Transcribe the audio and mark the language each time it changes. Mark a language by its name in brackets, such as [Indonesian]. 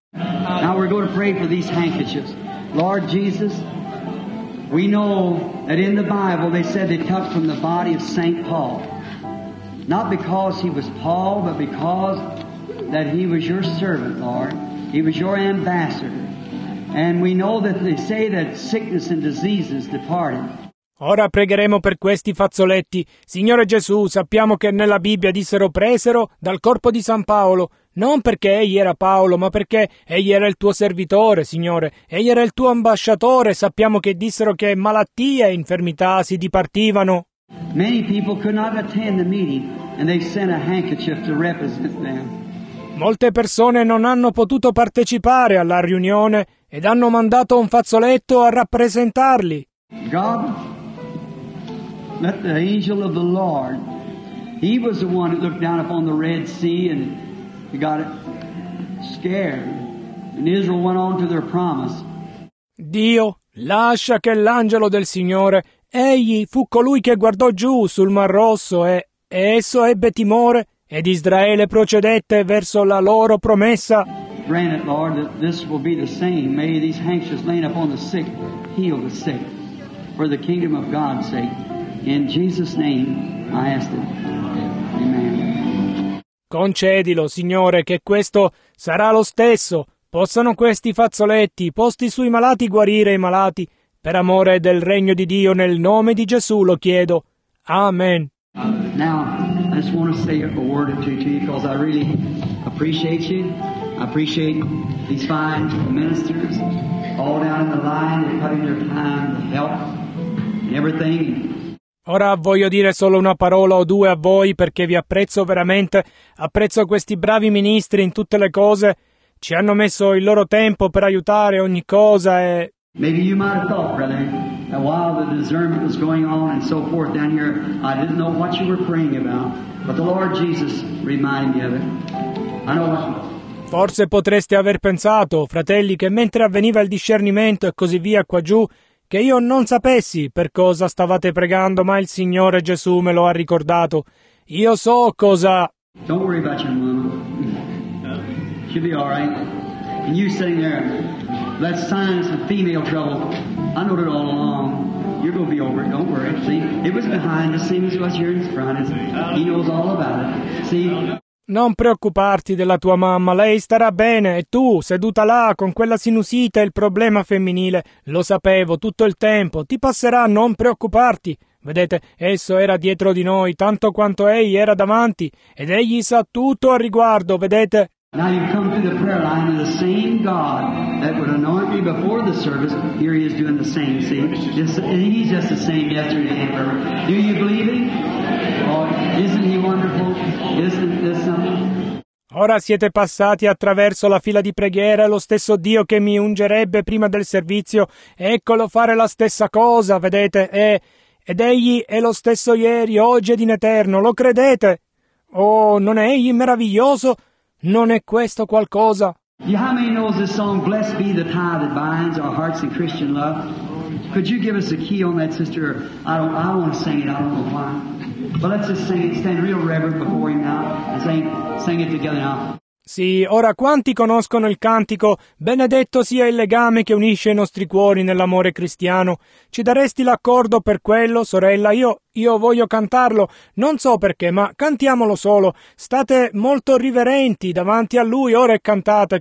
[English] Now we're going to pray for these handkerchiefs. Lord Jesus, we know that in the Bible they said they cut from the body of Saint Paul. Not because he was Paul, but because that he was your servant, Lord. He was your ambassador. And we know that they say that sickness and diseases departed. [Italian] Ora pregheremo per questi fazzoletti. Signore Gesù, sappiamo che nella Bibbia dissero presero dal corpo di San Paolo. Non perché egli era Paolo, ma perché egli era il tuo servitore, Signore. Egli era il tuo ambasciatore. Sappiamo che dissero che malattie e infermità si dipartivano. [English] Many people could not attend the meeting, and they sent a handkerchief to represent them. [Italian] Molte persone non hanno potuto partecipare alla riunione ed hanno mandato un fazzoletto a rappresentarli. [English] God, let the angel of the Lord He was the one that looked down upon the Red Sea and got scared. And Israel went on to their promise. [Italian] Dio, lascia che l'angelo del Signore, egli fu colui che guardò giù sul Mar Rosso e esso ebbe timore ed Israele procedette verso la loro promessa. [English] Grant it, Lord, that this will be the same. May these anxious laying upon the sick heal the sick for the kingdom of God's sake. In Jesus' name I ask it. Amen. [Italian] Concedilo, Signore, che questo sarà lo stesso. Possano questi fazzoletti posti sui malati guarire i malati. Per amore del regno di Dio, nel nome di Gesù lo chiedo. Amen. [English] Now, I just want to say a word or two to you because I really appreciate you. I appreciate these fine ministers all down in the line, cutting their time, help, and everything. [Italian] Ora voglio dire solo una parola o due a voi perché vi apprezzo veramente. Apprezzo questi bravi ministri in tutte le cose. Ci hanno messo il loro tempo per aiutare ogni cosa e... [English] Maybe you might have thought, brother, that while the discernment was going on and so forth down here, I didn't know what you were praying about, but the Lord Jesus reminded me of it. I know what... [Italian] Forse potreste aver pensato, fratelli, che mentre avveniva il discernimento e così via qua giù, che io non sapessi per cosa stavate pregando, ma il Signore Gesù me lo ha ricordato. Io so cosa... [English] Don't worry about your mama. She'll be all right. And you sitting there, that's signs of female trouble. I know it all along. You're going to be over it. Don't worry. See, it was behind the scenes. It was here in front. He knows all about it. See? [Italian] Non preoccuparti della tua mamma, lei starà bene, e tu, seduta là, con quella sinusite e il problema femminile, lo sapevo tutto il tempo, ti passerà, non preoccuparti. Vedete, esso era dietro di noi, tanto quanto egli era davanti, ed egli sa tutto a riguardo, vedete? [English] Now you come through the prayer line of the same God that would anoint me before the service, here he is doing the same, see? He's just the same yesterday and forever. Do you believe him? Isn't he wonderful? Isn't this something? [Italian] Ora siete passati attraverso la fila di preghiera, lo stesso Dio che mi ungerebbe prima del servizio, eccolo fare la stessa cosa, vedete? Ed egli è lo stesso ieri, oggi ed in eterno, lo credete? Oh, non è egli meraviglioso? Non è questo qualcosa? [English] Yeah, how many knows this song, Blessed Be the Tie That Binds Our Hearts in Christian Love? Could you give us a key on that, sister? I want to sing it, I don't know why. But let's just sing it, stand real reverent before him now, and sing it together now. [Italian] Sì, ora quanti conoscono il cantico? Benedetto sia il legame che unisce i nostri cuori nell'amore cristiano. Ci daresti l'accordo per quello, sorella? Io voglio cantarlo. Non so perché, ma cantiamolo solo. State molto riverenti davanti a lui, ora e cantate.